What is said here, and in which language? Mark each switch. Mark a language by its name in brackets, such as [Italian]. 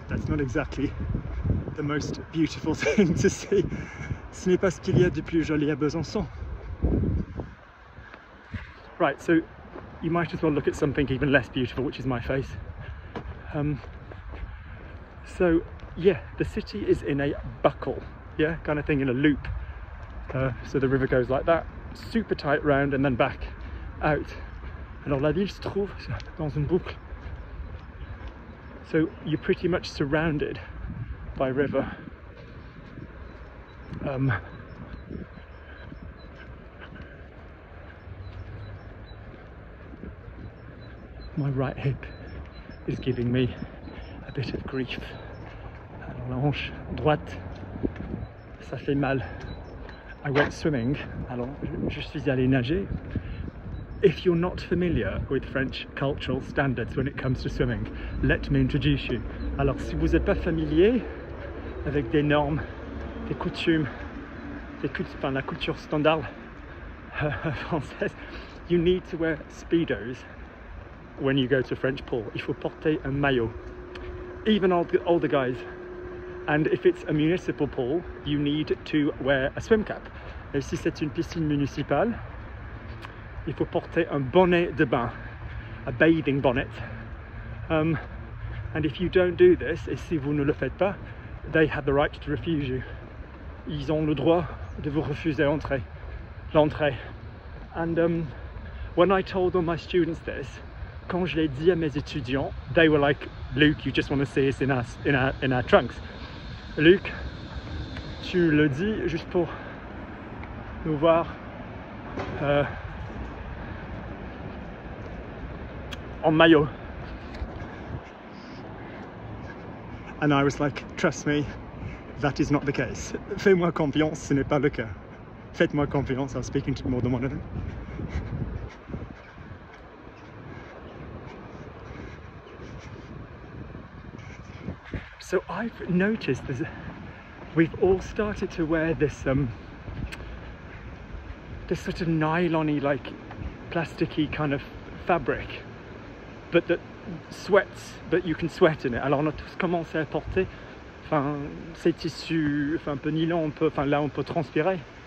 [English] That's not exactly the most beautiful thing to see. [French] Ce n'est pas ce qu'il y a de plus joli à Besançon. [English] Right, so you might as well look at something even less beautiful, which is my face. So, yeah, the city is in a buckle, yeah, kind of thing, in a loop. So the river goes like that, super tight round, and then back out. [French] Alors la ville se trouve dans une boucle. [English] So you're pretty much surrounded by river. My right hip is giving me a bit of grief. [French] Alors la hanche droite, ça fait mal. [English] I went swimming. [French] Alors je suis allé nager. [English] If you're not familiar with French cultural standards when it comes to swimming, let me introduce you. [French] Alors si vous n'êtes pas familier avec des normes, des coutumes, enfin la culture standard française, [English] you need to wear speedos. When you go to French pool, [French] il faut porter un maillot, [English] even older guys. And if it's a municipal pool, you need to wear a swim cap. [French] Et si c'est une piscine municipale, il faut porter un bonnet de bain, [English] a bathing bonnet. And if you don't do this, [French] et si vous ne le faites pas, [English] they have the right to refuse you. [French] Ils ont le droit de vous refuser l'entrée. [English] And when I told all my students this, [French] quand je l'ai dit à mes étudiants, [English] they were like, Luke, you just want to see us in our trunks. [French] Luke, tu le dis juste pour nous voir en maillot. [English] And I was like, trust me, that is not the case. [French] Fais-moi confiance, ce n'est pas le cas. Faites-moi confiance, [English] I was speaking to more than one of them. So I've noticed that we've all started to wear this sort of nylon-y, like plasticky kind of fabric, but that sweats, but you can sweat in it. [French] Alors on a tous commencé à porter, enfin, ces tissus, enfin, un peu nylon, enfin, là, on peut transpirer.